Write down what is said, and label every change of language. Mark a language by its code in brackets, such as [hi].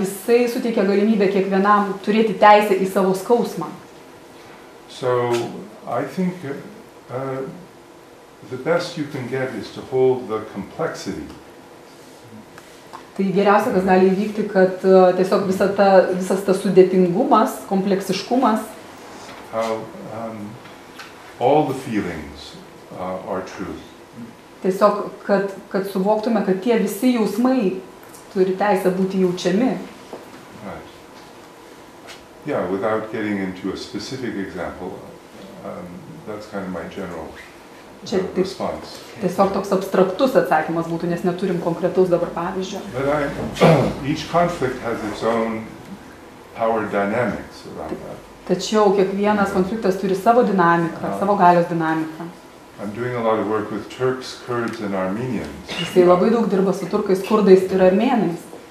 [lt] Jisai suteikia galimybę kiekvienam turėti teisę į savo skausmą. [en] So I think the best you can get is to hold the complexity. [lt] Tai geriausia, kas gali įvykti, kad tiesiog visa ta, visas tas sudėtingumas, kompleksiškumas. [en] How, all the feelings are truth. [lt] Tiesiog, kad suvoktume, kad tie visi jausmai turi teisę būti jaučiami. [en] Right. Yeah, without getting into a specific example, that's kind of my general response. [lt] Tiesiog toks abstraktus atsakymas būtų, nes neturim konkretaus dabar pavyzdžio. [en] But I, each conflict has its own power dynamics around that. [lt] Tačiau kiekvienas konfliktas turi savo dinamiką, savo galios dinamiką. [en] I'm doing a lot of work with Turks, Kurds and Armenians. [lt] Jisai labai daug dirba su turkais, kurdais ir armėnais.